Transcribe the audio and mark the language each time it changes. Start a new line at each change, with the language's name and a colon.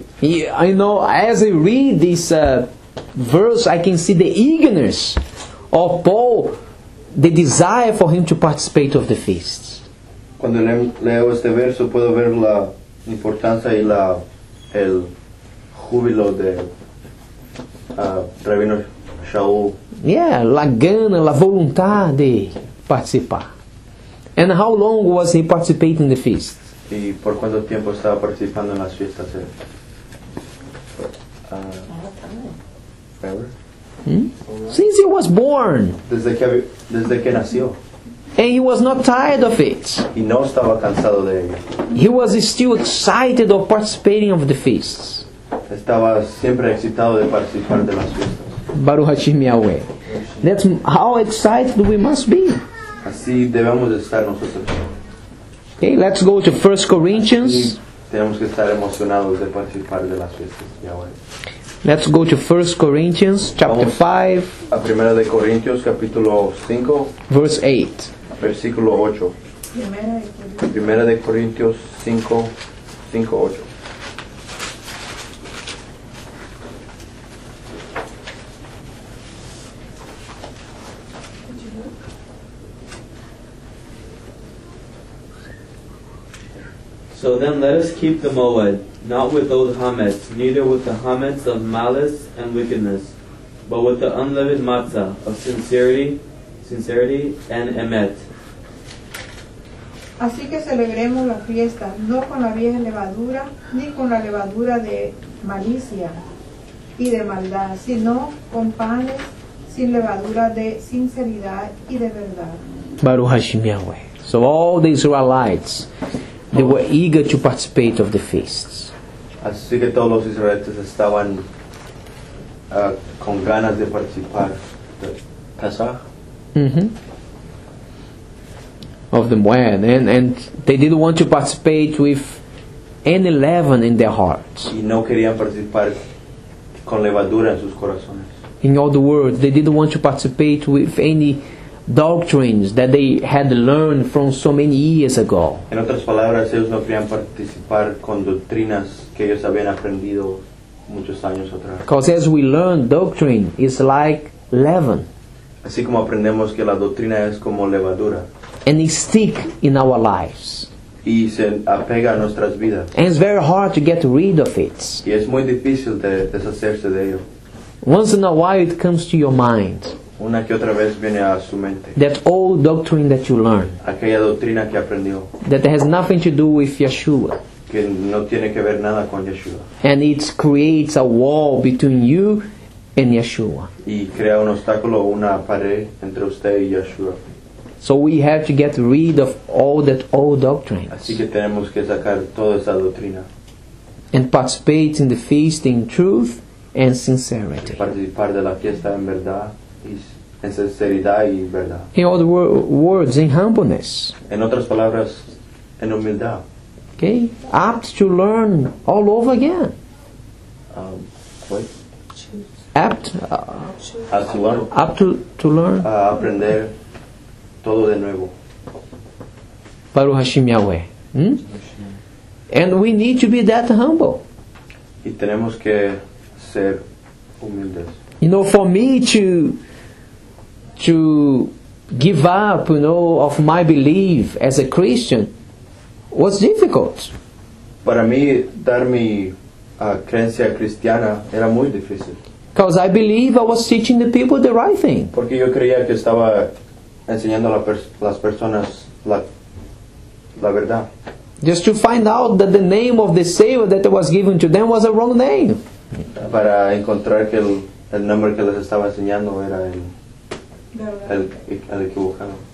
English: Yeah, I know, as I read this verse, I can see the eagerness of Paul, the desire for him to participate of the feasts.
Spanish: Cuando leo este verso, puedo ver la importancia y el júbilo de Rabino Shaul. Yeah, la gana, la vontade participar.
English: And how long was he participating in the feast?
Spanish: Y por cuánto tiempo estaba participando en las fiestas?
English: A lot of time. Forever? Since he was born.
Spanish: Desde que nació.
English: And he was not tired of it.
Spanish: Y no estaba cansado de ello.
English: He was still excited of participating of the feasts.
Spanish: Estaba siempre excitado de participar de las fiestas.
Hebrew: Baruch Hashem Yahweh.
English: That's how excited we must be.
Spanish: Así debemos estar nosotros.
English: Okay, let's go to 1 Corinthians.
Spanish: Tenemos que estar emocionados de participar de las fiestas, Yahweh.
English: Let's go to 1 Corinthians chapter 5.
Spanish: A Primera de Corintios capítulo 5,
English: verse 8.
Spanish: Versículo 8. Primera de Corintios 5:8.
English: So then let us keep the moed, not with old hametz, neither with the hametz of malice and wickedness, but with the unleavened matzah of sincerity and emet.
Spanish: Así que celebremos la fiesta, no con la vieja levadura, ni con la levadura de malicia y de maldad, sino con panes sin levadura de sinceridad y de verdad.
Hebrew: Baruch Hashem Yahweh.
English: So all the Israelites, they were eager to participate of the feasts.
Spanish: Así que todos los israelitas estaban con ganas de participar de Pesach. Mm-hmm.
English: Of the moed, and they didn't want to participate with any leaven in their hearts.
Spanish: Y no querían participar con levadura en sus corazones.
English: In other words, they didn't want to participate with any doctrines that they had learned from so many years ago.
Spanish: En otras palabras, ellos no querían participar con doctrinas que ellos habían aprendido muchos años atrás.
English: Because as we learn, doctrine is like leaven.
Spanish: Así como aprendemos que la doctrina es como levadura.
English: And it stick in our lives.
Spanish: Y se apega a nuestras vidas.
English: And it's very hard to get rid of it.
Spanish: Y es muy difícil de deshacerse de ello.
English: Once in a while it comes to your mind.
Spanish: Una que otra vez viene a su mente.
English: That old doctrine that you learned.
Spanish: Aquella doctrina que aprendió.
English: That has nothing to do with Yeshua.
Spanish: Que no tiene que ver nada con Yeshua.
English: And it creates a wall between you and Yeshua.
Spanish: Y crea un obstáculo, una pared entre usted y Yeshua.
English: So we have to get rid of all that old doctrine.
Spanish: Así que tenemos que sacar toda esa doctrina.
English: And participate in the feast in truth and sincerity.
Spanish: Participar de la fiesta en verdad. En sinceridad y verdad.
English: In other words, in humbleness.
Spanish: En otras palabras, en humildad.
English: Okay? Apt to learn all over again. Apt? Apt to learn?
Spanish: Aprender todo de nuevo.
Hebrew: Baruch Hashem Yahweh.
English: And we need to be that humble.
Spanish: Y tenemos que ser humildes.
English: You know, for me to give up, you know, of my belief as a Christian was difficult.
Spanish: Para mí, dar mi creencia cristiana era muy difícil.
English: Because I believe I was teaching the people the right thing.
Spanish: Porque yo creía que estaba enseñando a las personas la verdad.
English: Just to find out that the name of the Savior that was given to them was a wrong name.
Spanish: Para encontrar que el nombre que les estaba enseñando era el equivocado.